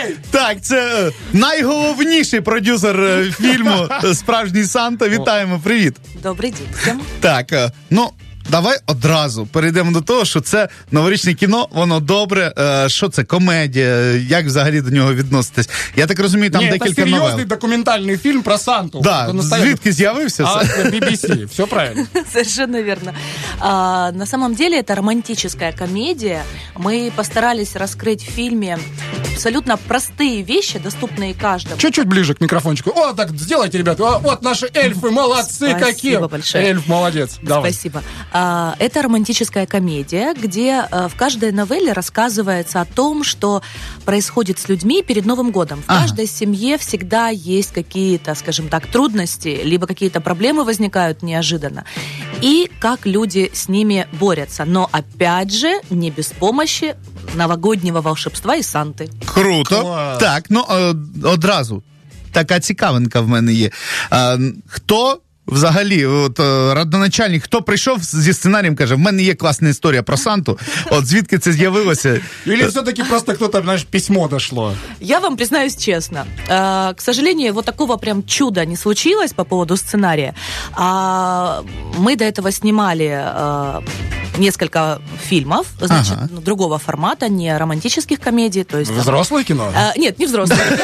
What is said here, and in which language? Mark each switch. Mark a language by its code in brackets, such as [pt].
[uk] Так, це найголовніший продюсер фільму «Справжній Санта». Вітаємо, привіт. Добрий день. Так, ну, давай одразу перейдемо до того, що це новорічне кіно, воно добре. Що це, комедія? Як взагалі до нього відноситись? Я так розумію, там декілька новел. Ні, це серйозний документальний фільм про Санту. Да, звідки з'явився це? BBC, все правильно. [ru] Совершенно верно. На самом деле, это романтическая комедия. Мы постарались раскрыть в фильме абсолютно простые вещи, доступные каждому. Чуть-чуть ближе к микрофончику. О, так сделайте, ребята. Вот наши эльфы, молодцы. Спасибо какие. Спасибо большое. Эльф, молодец. Давай. Спасибо. Это романтическая комедия, где в каждой новелле рассказывается о том, что происходит с людьми перед Новым годом. В каждой семье всегда есть какие-то, скажем так, трудности, либо какие-то проблемы возникают неожиданно. И как люди с ними борются. Но, опять же, не без помощи новогоднего волшебства и Санты. [uk] Круто. Класс. Так, ну, одразу. Такая цікавинка в мене є. Хто взагалі, от родоначальник, хто прийшов зі сценарієм, каже, в мене є класна історія про Санту, от звідки це з'явилося? [ru] Или все-таки просто хто-то, знаєш, письмо дійшло? Я вам признаюсь чесно. К сожалению, вот такого прям чуда не случилось по поводу сценария. А мы до этого снимали несколько фильмов, значит, другого формата, не романтических комедий. То есть, взрослое там, кино? Нет, не взрослое.